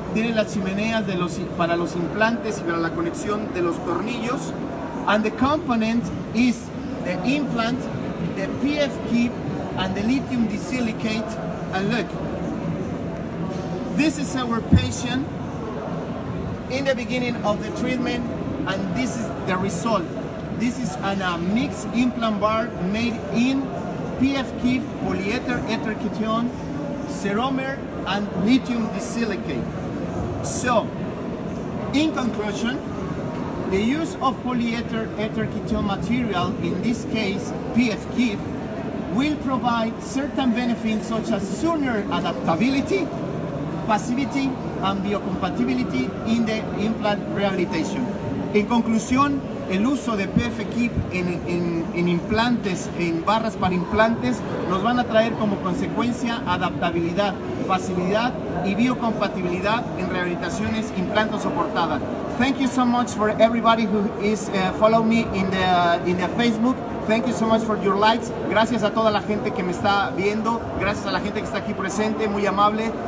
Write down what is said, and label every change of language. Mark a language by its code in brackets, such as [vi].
[es] Tiene las chimeneas para los implantes y para la conexión de los tornillos. [en] And the component is the implant, the Pfkeep, and the lithium disilicate. And look, this is our patient in the beginning of the treatment, and this is the result. This is a mixed implant bar made in Pfkeep, polyether, ether ketone, ceromer, and lithium disilicate. So, in conclusion, the use of polyether, ether ketone material, in this case, Pfkeep, will provide certain benefits such as sooner adaptability, passivity, and biocompatibility in the implant rehabilitation. [es] En conclusión, el uso de Pfkeep en implantes, en barras para implantes, nos van a traer como consecuencia adaptabilidad, facilidad y biocompatibilidad en rehabilitaciones implanto soportada. [en] Thank you so much for everybody who is follow me in the Facebook. Thank you so much for your likes. [es] Gracias a toda la gente que me está viendo. Gracias a la gente que está aquí presente, muy amable.